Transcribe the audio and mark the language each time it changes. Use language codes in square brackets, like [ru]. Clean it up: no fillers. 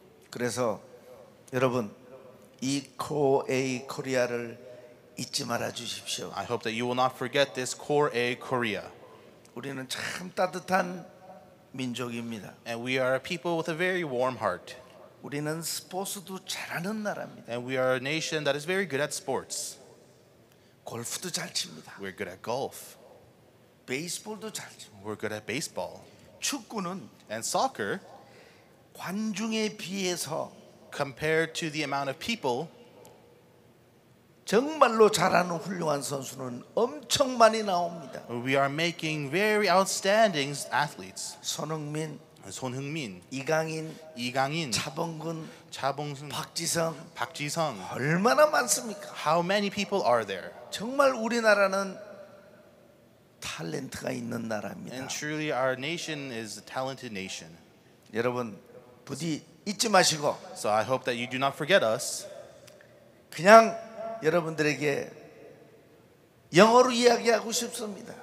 [ko] 그래서 여러분 이 Core A Korea를 잊지 말아 주십시오. [en] I hope that you will not forget this Core A Korea [ko] 우리는 참 따뜻한 민족입니다. [en] And we are a people with a very warm heart. [ko] 우리는 스포츠도 잘하는 나라입니다. [en] And we are a nation that is very good at sports. [ko] 골프도 잘 칩니다. [en] We're good at golf. [ko] 베이스볼도 잘 칩니다. [en] We're good at baseball. [ko] 축구는 [en] And soccer [ko] 관중에 비해서 [en] compared to the amount of people [ko] 정말로 잘하는 훌륭한 선수는 엄청 많이 나옵니다. [en] We are making very outstanding athletes. [ko] 손흥민, 손흥민, 이강인, 이강인, 차범근, 차범근, 박지성, 박지성. 얼마나 많습니까? [en] How many people are there? [ko] 정말 우리나라는 탤런트가 있는 나라입니다. [en] And truly our nation is a talented nation. [ko] 여러분 부디 잊지 마시고 [en] So I hope that you do not forget us. [ko] 그냥 여러분들에게 영어로 이야기하고 싶습니다.